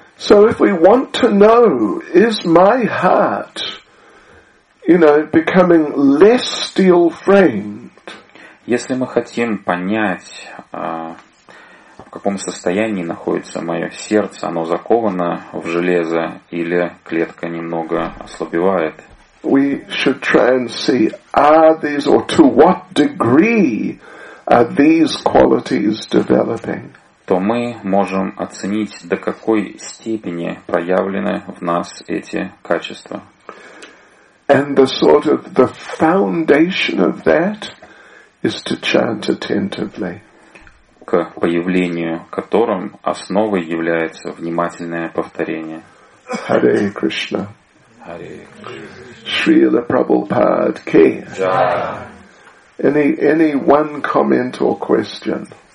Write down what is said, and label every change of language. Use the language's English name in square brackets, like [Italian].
[English] So if we want to know, is my heart, you know, becoming less steel framed? [Russian] Если мы хотим понять, в каком состоянии находится мое сердце, оно заковано в железо или клетка немного ослабевает, [English] we should try and see, are these, or to what degree are these qualities developing? [Russian] То мы можем оценить, до какой степени проявлены в нас эти качества. [English] And the sort of the foundation of that is to chant attentively. [Russian] К появлению которым основой является внимательное повторение. [Sanskrit] Hare Krishna. Hare Krishna. Srila Prabhupada ki. Jaya. [English] Any one comment or question?